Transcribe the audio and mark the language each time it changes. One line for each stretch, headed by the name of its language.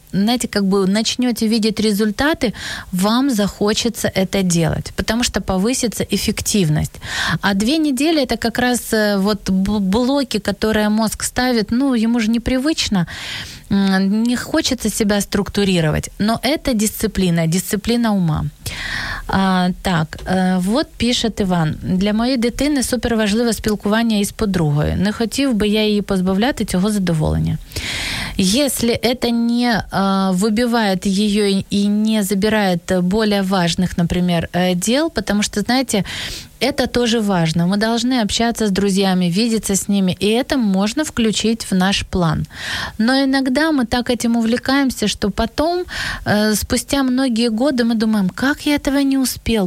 Russian: знаете, как бы начнете видеть результаты, вам захочется это делать, потому что повысится эффективность. А две недели — это как раз вот блоки, которые мозг ставит, ну, ему же непривычно, не хочется себя структурировать. Но это дисциплина, дисциплина ума. Так, вот пишет Іван.
Ukrainian: Для моєї дитини супер важливе спілкування із подругою. Не хотів би я її позбавляти цього задоволення.
Russian: Если это не выбивает ее и не забирает более важных, например, дел, потому что, знаете, это тоже важно. Мы должны общаться с друзьями, видеться с ними, и это можно включить в наш план. Но иногда мы так этим увлекаемся, что потом, спустя многие годы, мы думаем, как я этого не успел?